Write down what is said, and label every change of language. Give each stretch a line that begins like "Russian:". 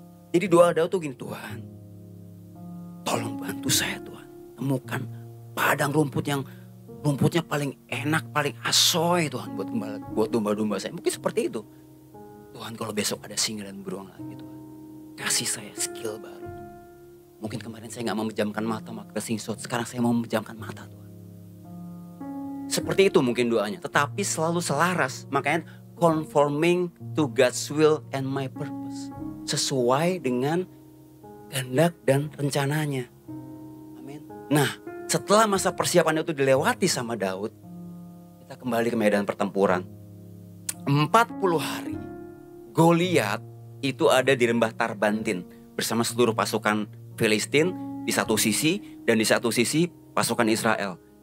Indonesian: Jadi doa Daud tuh gini, Tuhan, tolong bantu saya Tuhan, temukan padang rumput yang rumputnya paling enak, paling asoy Tuhan buat gembala, buat domba-domba saya. Mungkin seperti itu. Tuhan, kalau besok ada singa dan beruang lagi Tuhan, kasih saya skill baru. Mungkin kemarin saya gak mau menjamkan mata waktu kesingsot, sekarang saya mau menjamkan mata Tuhan. Seperti itu mungkin doanya. Tetapi selalu selaras. Makanya
English: conforming to God's will and my purpose.
Indonesian: Sesuai dengan kehendak dan rencananya. Amin. Nah, setelah masa persiapan itu dilewati sama Daud, kita kembali ke medan pertempuran. 40 hari, Goliat itu ada di lembah Tarbantin bersama seluruh pasukan Filistin di satu sisi, dan di satu sisi pasukan Israel.